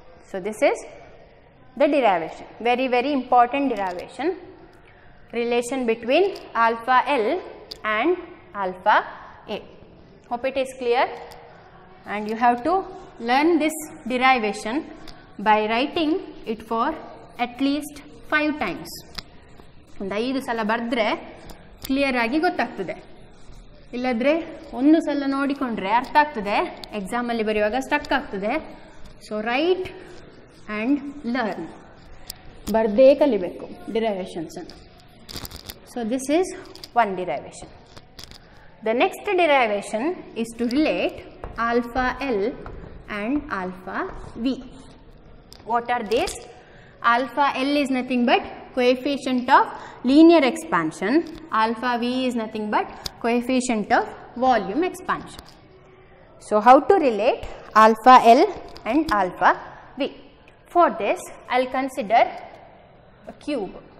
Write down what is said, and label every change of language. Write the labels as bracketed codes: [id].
[en] So, this is the derivation, very very important derivation, relation between alpha L and alpha A. Hope it is clear, and you have to learn this derivation by writing it for at least 5 times. [kn] ಒಂದು 5 ಸಲ ಬರೆದ್ರೆ clear ಆಗಿ ಗೊತ್ತಾಗ್ತದೆ, ಇಲ್ಲದ್ರೆ ಒಂದು ಸಲ ನೋಡಿಕೊಂಡ್ರೆ ಅರ್ಥ ಆಗ್ತದೆ, ಎಕ್ಸಾಮಲ್ಲಿ ಬರೆಯುವಾಗ ಸ್ಟಕ್ ಆಗ್ತದೆ. [en] so write and learn, [kn] ಬರ್ದೇ ಕಲಿಬೇಕು ಡಿರೈವೇಷನ್ಸನ್ನು. [en] So this is one derivation. The next derivation is to relate alpha L and alpha V. What are these? Alpha L is nothing but coefficient of linear expansion, alpha V is nothing but coefficient of volume expansion. So, how to relate alpha L and alpha V? For this, I will consider a cube.